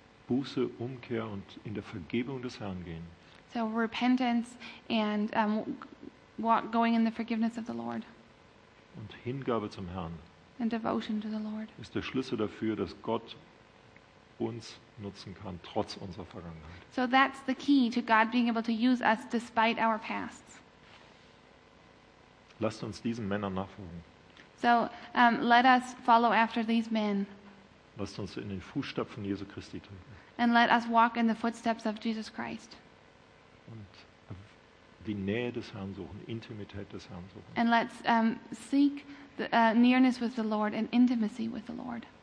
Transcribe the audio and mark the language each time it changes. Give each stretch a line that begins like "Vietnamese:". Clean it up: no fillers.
German: Buße, Umkehr und in der Vergebung des Herrn gehen.
English: So repentance and going in the forgiveness of the Lord.
German: Und Hingabe zum Herrn.
English: And devotion to the Lord.
German: Ist der Schlüssel dafür, dass Gott uns nutzen kann trotz unserer Vergangenheit.
English: So that's the key to God being able to use us despite our pasts.
German: Lasst uns diesen Männern nachfolgen.
English: So let us follow after these men.
German: Lasst uns in den Fußstapfen Jesu Christi treten.
English: And let us walk in the footsteps of Jesus Christ.
German: Und die Nähe des Herrn suchen, Intimität des Herrn suchen.
English: And let's seek the nearness with the Lord and intimacy with the Lord.